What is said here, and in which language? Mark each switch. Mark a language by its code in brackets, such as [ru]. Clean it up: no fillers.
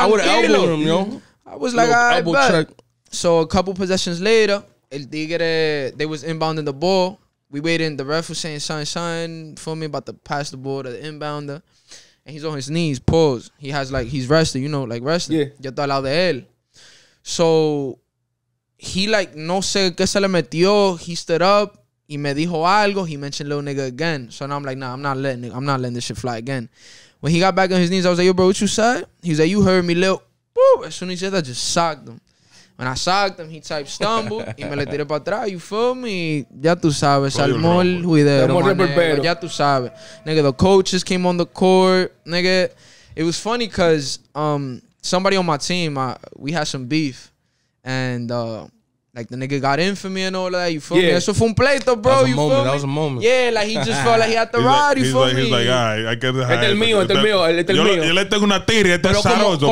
[en] I would have elbowed him, yo. I was like, all right, bet. So a couple possessions later, el tigre, they was inbounding the ball. We waiting. The ref was saying, sign, feel me, about to pass the ball to the inbounder. And he's on his knees, pause. He has like, he's resting, you know, like resting. Yeah. [es] Yo estoy al lado de él. [en] So, he like, [es] no sé qué se le metió. [en] He stood up. [es] Y me dijo algo. [en] He mentioned little nigga again. So now I'm like, nah, I'm not letting this shit fly again. When he got back on his knees, I was like, yo, bro, what you said? He was like, you heard me, little. Boo. As soon as he said that, I just socked him. When I socked him, he type stumbled. [es] Y me le tiré para atrás. [en] You feel me? [es] Ya tú sabes. [en] Salmol, juidero, manero. [es] Ya tú sabes. [en] Nigga, the coaches came on the court. Nigga, it was funny because somebody on my team, we had some beef. And like the nigga got in for me and all that. You feel me? [es] Eso fue un pleito, bro. [en] You moment, feel me? That was a moment. Yeah, like he just felt like he had to ride. You feel like, me? He's like, all right, I get the high. [es] Este es el mío, este es el mío. Este es el mío. Yo le tengo una tira, este es sabroso,